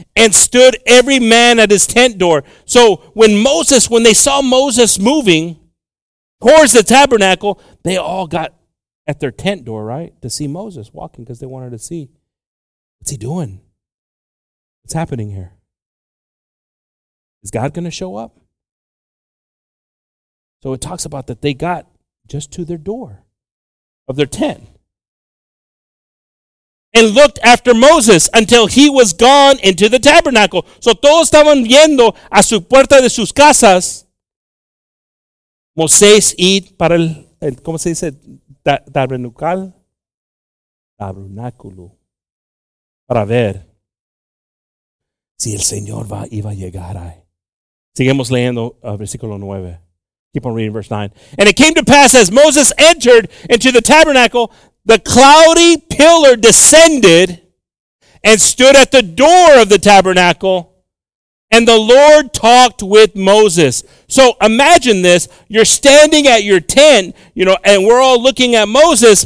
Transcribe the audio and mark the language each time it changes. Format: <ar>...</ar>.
<en>and stood every man at his tent door. So when Moses, when they saw Moses moving towards the tabernacle, they all got at their tent door, right, to see Moses walking because they wanted to see. What's he doing? What's happening here? Is God going to show up? So it talks about that they got just to their door of their tent and looked after Moses until he was gone into the tabernacle.</en> <es>So todos estaban viendo a su puerta de sus casas. Moses id para el, ¿cómo se dice? Tabernacle. Tabernáculo. Para ver si el Señor va, iba a llegar ahí. Seguimos leyendo versículo 9.</es> <en>Keep on reading verse 9. And it came to pass as Moses entered into the tabernacle, the cloudy pillar descended and stood at the door of the tabernacle, and the Lord talked with Moses. So imagine this. You're standing at your tent, you know, and we're all looking at Moses.</en>